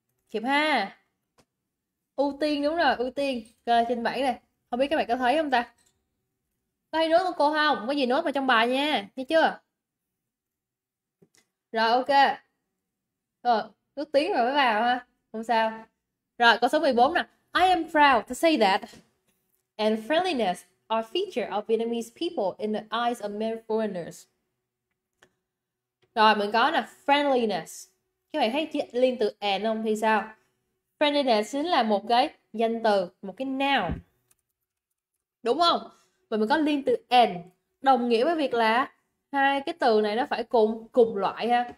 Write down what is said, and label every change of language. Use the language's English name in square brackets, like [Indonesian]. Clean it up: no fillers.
[Vietnamese] Kịp ha. Ưu tiên đúng rồi, ưu tiên. Rồi trên 7 này. Không biết các bạn có thấy không ta? Có hay nốt của cô không? Có gì nốt vào trong bài nha, nghe chưa? Rồi ok. Rồi, nước tiếng rồi mới vào ha. Không sao. Rồi, câu số 14 nè. [English] I am proud to say that and friendliness are feature of Vietnamese people in the eyes of many foreigners. [Vietnamese] Rồi mình có là friendliness. Các bạn thấy chị liên từ and không thì sao? Friendliness chính là một cái danh từ, một cái noun. Đúng không? Và mình có liên từ and đồng nghĩa với việc là hai cái từ này nó phải cùng cùng loại ha.